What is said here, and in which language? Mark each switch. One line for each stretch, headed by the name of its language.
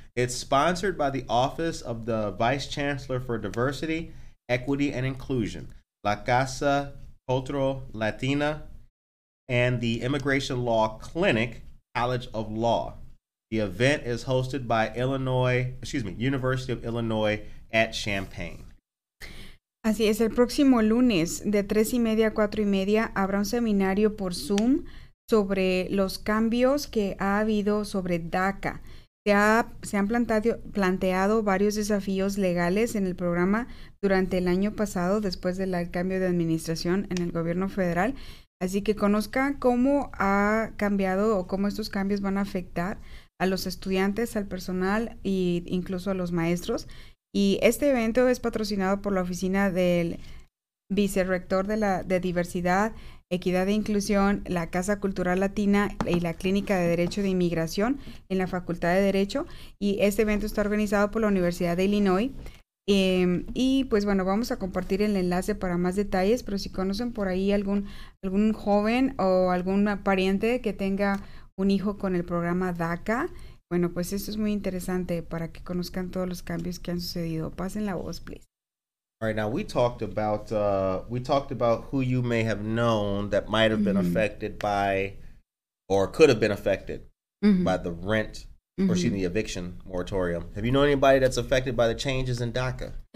English: It's sponsored by the Office of the Vice Chancellor for Diversity, Equity, and Inclusion, La Casa Cultural Latina, and the Immigration Law Clinic, College of Law. The event is hosted by University of Illinois at Champaign.
Spanish: Así es, el próximo lunes de 3:30 a 4:30 habrá un seminario por Zoom sobre los cambios que ha habido sobre DACA. Se han planteado varios desafíos legales en el programa durante el año pasado después del cambio de administración en el gobierno federal. Así que conozca cómo ha cambiado o cómo estos cambios van a afectar a los estudiantes, al personal e incluso a los maestros. Y este evento es patrocinado por la oficina del vicerrector de Diversidad, Equidad e Inclusión, la Casa Cultural Latina y la Clínica de Derecho de Inmigración en la Facultad de Derecho. Y este evento está organizado por la Universidad de Illinois. Y pues bueno, vamos a compartir el enlace para más detalles, pero si conocen por ahí algún joven o algún pariente que tenga un hijo con el programa DACA, bueno, pues esto es muy interesante para que conozcan todos los cambios que han sucedido. Pasen la voz,
English: please. All right, now we talked about who you may have known that might have been affected by, or could have been affected by the rent, or excuse me, the eviction moratorium. Have you known anybody that's affected by the changes in DACA?